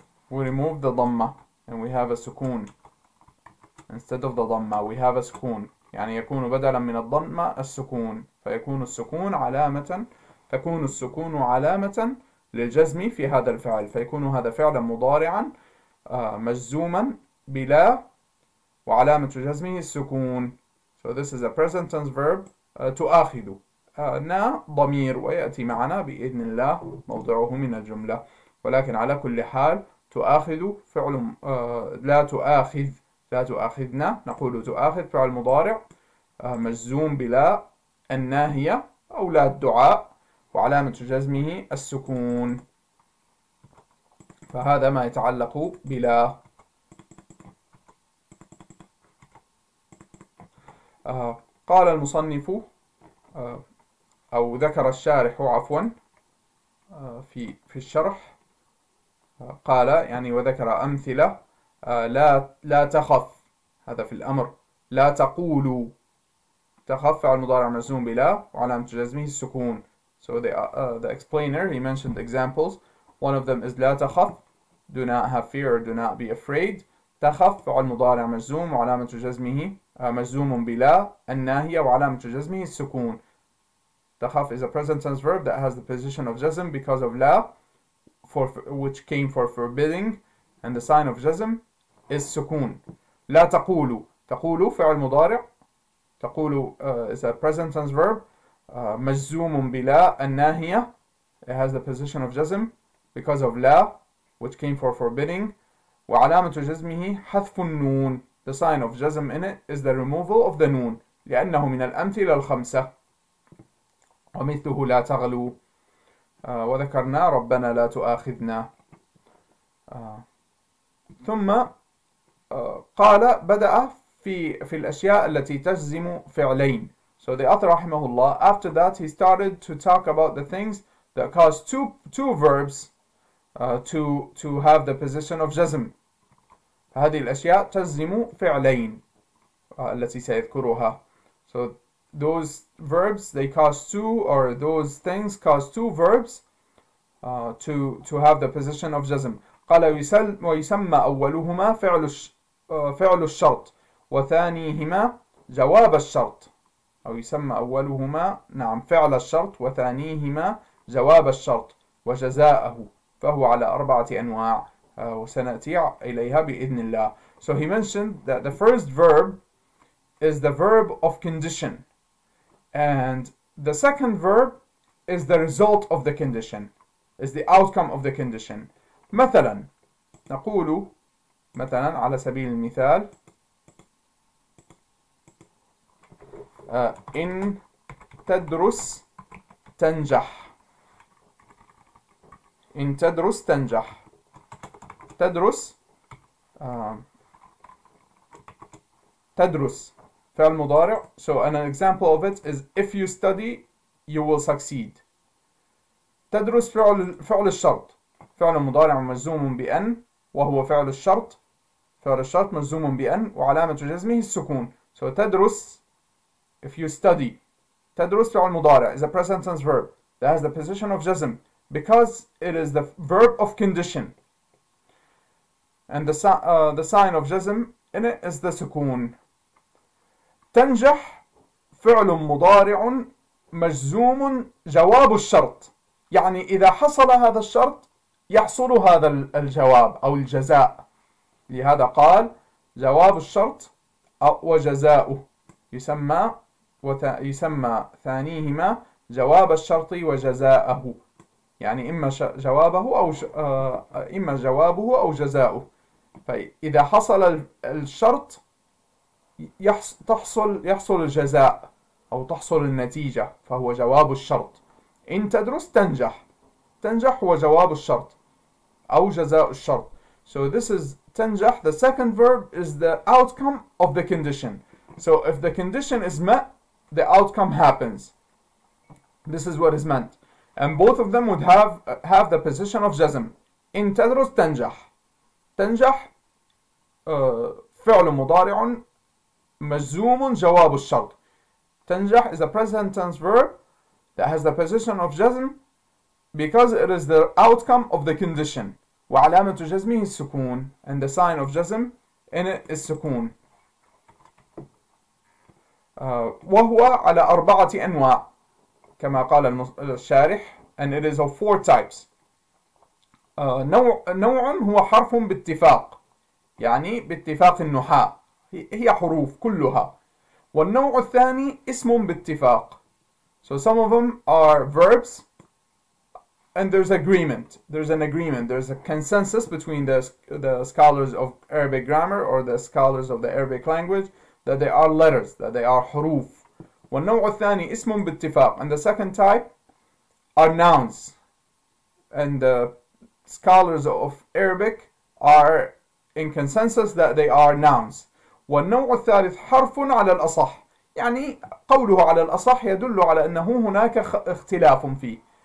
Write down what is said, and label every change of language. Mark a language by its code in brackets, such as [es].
[en] We remove the ضمة and we have a سكون instead of the ضمة, we have a سكون. [ar] يعني يكون بدلا من الضمة السكون, فيكون السكون علامة, تكون السكون علامة للجزم في هذا الفعل, فيكون هذا فعلا مضارعا مجزوما بلا وعلامة جزمه السكون. [en] So this is a present tense verb تؤاخذ. [ar] نا ضمير ويأتي معنا بإذن الله موضعه من الجملة. و ولكن على كل حال تؤاخذ فعل لا تؤاخذ، لا تؤاخذنا، نقول تؤاخذ فعل مضارع مجزوم بلا الناهية أو لا الدعاء، وعلامة جزمه السكون. فهذا ما يتعلق بلا. قال المصنف أو ذكر الشارح عفوا في الشرح، قال يعني وذكر أمثلة: لا تخف، هذا في الأمر، لا تقولوا، تخف فعل المضارع مجزوم بلا وعلامة جزمه السكون. [en] So the explainer, he mentioned examples. One of them is لا تخف, do not have fear or do not be afraid. [ar] تخف فعل المضارع مجزوم وعلامة جزمه مجزوم بلا الناهية وعلامة جزمه السكون. [en] تخف is a present tense verb that has the position of جزم because of لا, for which came for forbidding, and the sign of جزم is سكون. [ar] لا تقولوا, تقولوا فعل مضارع, تقولوا [en] is a present tense verb [ar] مجزوم بلا الناهية. [en] It has the position of جزم because of لا, which came for forbidding. [ar] وعلامة جزمه حذف النون. [en] The sign of جزم in it is the removal of the نون. [ar] لأنه من الأمثلة الخمسة. ومثله لا تغلو. وذكرنا ربنا لا تؤاخذنا. ثم قال بدأ في الأشياء التي تجزم فعلين. [en] So the author [ar] رحمه الله, [en] after that he started to talk about the things that cause two verbs to have the position of جزم. [ar] فهذه الأشياء تجزم فعلين التي سيذكرها. [en] So those verbs, they cause two, or those things cause two verbs to have the position of جزم. [ar] قال ويسمى أولهما فعل الشرط وثانيهما جواب الشرط. أو يسمى أولهما نعم فعل الشرط وثانيهما جواب الشرط وجزاءه، فهو على أربعة أنواع وسنأتي إليها بإذن الله. [en] So he mentioned that the first verb is the verb of condition, and the second verb is the result of the condition, is the outcome of the condition. [ar] مثلا نقول مثلا على سبيل المثال إن تدرس تنجح. إن تدرس تنجح. تدرس تدرس فعل مضارع. [en] So an example of it is if you study you will succeed. [ar] تدرس فعل الشرط فعل مضارع مجزوم بأن، وهو فعل الشرط، فعل الشرط مجزوم بأن وعلامة جزمه السكون. [en] So تدرس if you study. تدرس [ar] فعل مضارع [en] is a present tense verb that has the position of جزم because it is the verb of condition. And the sign of جزم in it is the سكون. [ar] تنجح فعل مضارع مجزوم جواب الشرط. يعني إذا حصل هذا الشرط يحصل هذا الجواب أو الجزاء. لهذا قال جواب الشرط وجزاؤه يسمى يسمى ثانيهما جواب الشرط وجزاءه. يعني إما جوابه أو إما جوابه أو جزاؤه. فإذا حصل الشرط يحصل الجزاء أو تحصل النتيجة، فهو جواب الشرط. إن تدرس تنجح، تنجح هو جواب الشرط أو جزاء الشرط. [en] So this is تنجح. The second verb is the outcome of the condition. So if the condition is met, the outcome happens. This is what is meant. And both of them would have the position of جزم. [ar] إن تدرس تنجح. تنجح فعل مضارع مجزوم جواب الشرط. [en] تنجح is a present tense verb that has the position of جزم because it is the outcome of the condition. [ar] وعلامة جزمه السكون. [en] And the sign of جزم in it is سكون. [ar] وهو على أربعة أنواع كما قال الشارح. [en] And it is of four types. [ar] نوع هو حرف باتفاق، يعني باتفاق النحاء، هي حروف كلها. والنوع الثاني اسم باتفاق. [en] So some of them are verbs And there's agreement. There's an agreement. There's a consensus between the scholars of Arabic grammar or the scholars of the Arabic language that they are letters, that they are حروف. [ar] والنوع الثاني اسم باتفاق. [en] And the second type are nouns. And the scholars of Arabic are in consensus that they are nouns. [ar] والنوع الثالث حرف على الأصح. يعني قوله على الأصح يدل على أنه هناك اختلاف فيه.